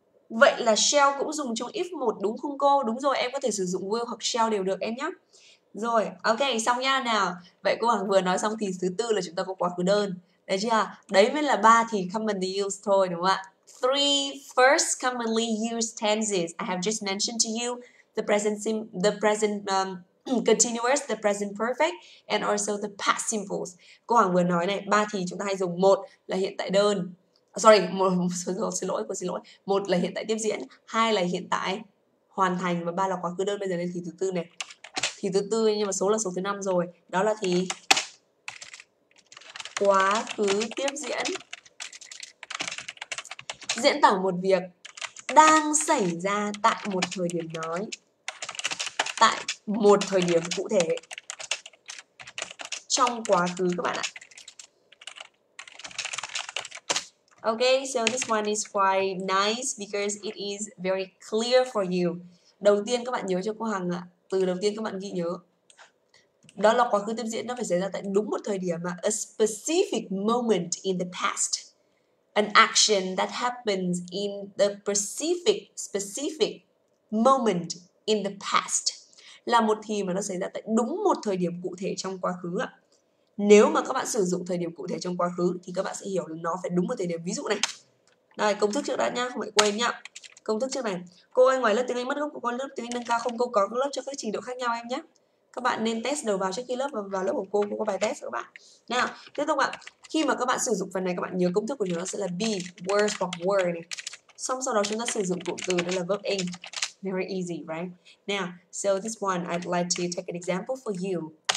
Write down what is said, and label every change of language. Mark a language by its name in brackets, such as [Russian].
[Vietnamese] Vậy là shall cũng dùng trong if một đúng không cô? Đúng rồi, em có thể sử dụng will hoặc shall đều được em nhé. Rồi, ok, xong nha nào. Vậy cô Hằng vừa nói xong thì thứ tư là chúng ta có quá khứ đơn. Đấy chưa? Đấy mới là ba thì commonly used thôi đúng không ạ? [English] Three first commonly used tenses I have just mentioned to you: the present perfect and also the past simple. [Vietnamese] Cô Hoàng vừa nói này, ba thì chúng ta hay dùng: một là hiện tại đơn, [English] sorry, [Vietnamese] một, xin lỗi, cô xin lỗi, một là hiện tại tiếp diễn, hai là hiện tại hoàn thành, và ba là quá khứ đơn. Bây giờ lên thì thứ tư này, thì thứ tư nhưng mà số là số thứ năm rồi, đó là thì quá khứ tiếp diễn diễn tả một việc đang xảy ra tại một thời điểm nói, tại một thời điểm cụ thể trong quá khứ các bạn ạ. [English] Ok, so this one is quite nice because it is very clear for you. [Vietnamese] Đầu tiên các bạn nhớ cho cô Hằng ạ, từ đầu tiên các bạn ghi nhớ đó là quá khứ tiếp diễn, nó phải xảy ra tại đúng một thời điểm, mà [English] a specific moment in the past. An action that happens in the specific moment in the past [Vietnamese] là một thì mà nó xảy ra tại đúng một thời điểm cụ thể trong quá khứ ạ. Nếu mà các bạn sử dụng thời điểm cụ thể trong quá khứ thì các bạn sẽ hiểu là nó phải đúng một thời điểm. Ví dụ này, Đây, công thức trước đã nhá, không phải quên nhá. Công thức trước này, cô ơi ngoài lớp tiếng Anh mất gốc của con lớp tiếng Anh nâng cao không, cô có lớp cho các trình độ khác nhau em nhé. Các bạn nên test đầu vào trước khi lớp vào lớp của cô có bài test các bạn. Nào, tiếp tục ạ. Khi mà các bạn sử dụng phần này các bạn nhớ công thức của chúng nó sẽ là be, where, for, where này. Xong sau đó chúng ta sử dụng cụm từ đó là verb in. [English] Very easy, right? Now, so this one, I'd like to take an example for you.